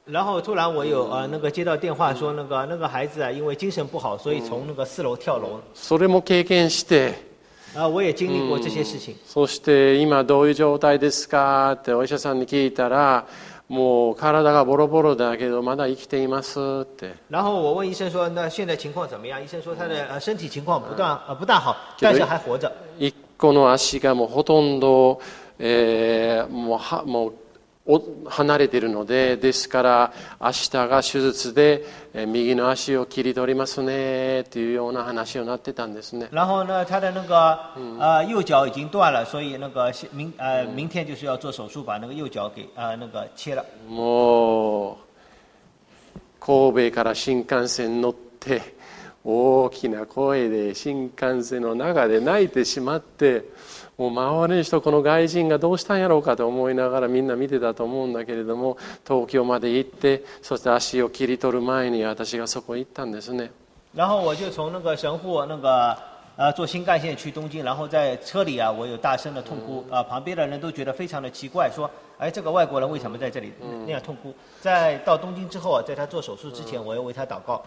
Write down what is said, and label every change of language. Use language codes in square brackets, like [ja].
[zh] 然后突然我有那个接到电话说那个孩子因为精神不好，所以从那个四楼跳楼。 [ja] それも経験して、 [zh] 我也经历过这些事情。 [ja] そして今どういう状態ですかってお医者さんに聞いたら、もう体がボロボロだけどまだ生きていますって。 [zh] 然后我问医生说，那现在情况怎么样？医生说他的身体情况不大好，但是还活着。 [ja] 一個の足がもうほとんど、もう離れているので、ですから明日が手術で。右の足を切り取りますねというような話をなってたんですね。 [zh] 然后呢，他的那个右脚已经断了，所以那个明天就是要做手术，把那个右脚给那个切了。 [ja] もう神戸から新幹線乗って大きな声で新幹線の中で泣いてしまって。もう周りの人、この外人がどうしたんやろうかと思いながらみんな見てたと思うんだけれども、東京まで行って、そして足を切り取る前に私がそこに行ったんですね。 [zh] 然后我就从那个神户那个坐新干线去东京，然后在车里啊，我有大声的痛哭啊，旁边的人都觉得非常的奇怪，说，哎，这个外国人为什么在这里那样痛哭？在到东京之后，在他做手术之前，我要为他祷告。